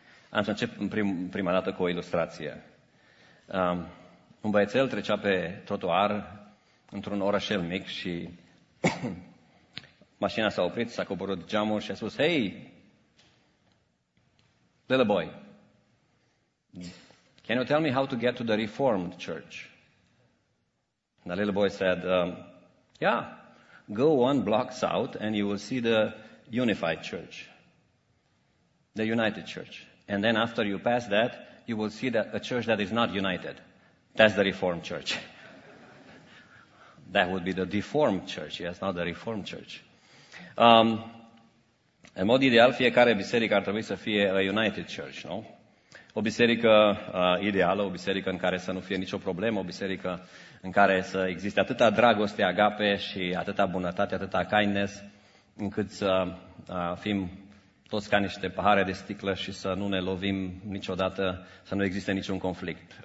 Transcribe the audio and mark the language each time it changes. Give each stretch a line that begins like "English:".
Romanian: Am să încep prima dată cu o ilustrație. Un băiețel trecea pe trotuar într-un orășel mic și mașina s-a oprit, s-a coborât geamul și a spus: hei,
English: little boy, can you tell me how to get to the Reformed Church? And the little boy said, yeah, go one block south and you will see the Unified Church, the United Church. And then after you pass that, you will see that a church that is not united. That's the Reformed Church. That would be the Deformed Church, yes, not the Reformed Church.
Romanian: În mod ideal, fiecare biserică ar trebui să fie a United Church, nu? O biserică ideală, o biserică în care să nu fie nicio problemă, o biserică în care să existe atâta dragoste, agape și atâta bunătate, atâta kindness, încât să fim toți ca niște pahare de sticlă și să nu ne lovim niciodată, să nu existe niciun conflict.